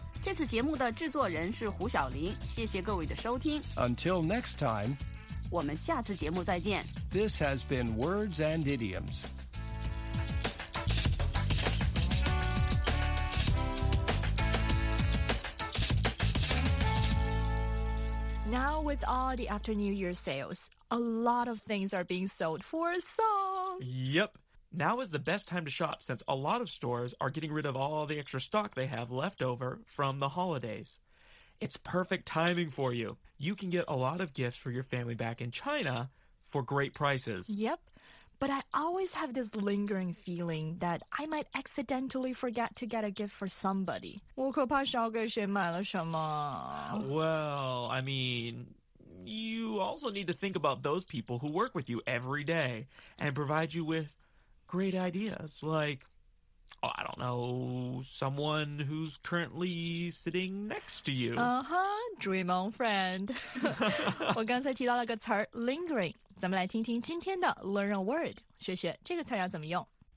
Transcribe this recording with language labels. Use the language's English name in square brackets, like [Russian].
[Chinese] 这次节目的制作人是胡晓林，谢谢各位的收听。 [English] Until next time， [Chinese] 我们下次节目再见。 [English] This has been Words and Idioms。 Now with all the after New Year sales, a lot of things are being sold for a song. Yep. Now is the best time to shop since a lot of stores are getting rid of all the extra stock they have left over from the holidays. It's perfect timing for you. You can get a lot of gifts for your family back in China for great prices. Yep. But I always have this lingering feeling that I might accidentally forget to get a gift for somebody. [Chinese] 我可怕少给谁买了什么。 [English] Well, I mean, you also need to think about those people who work with you every day and provide you with great ideas. Like, oh, I don't know, someone who's currently sitting next to you. Uh-huh, dream on friend. [Chinese] 我刚才提到了个词儿 lingering. 咱们来听听今天的 Learn a Word， 学学这个词要怎么用。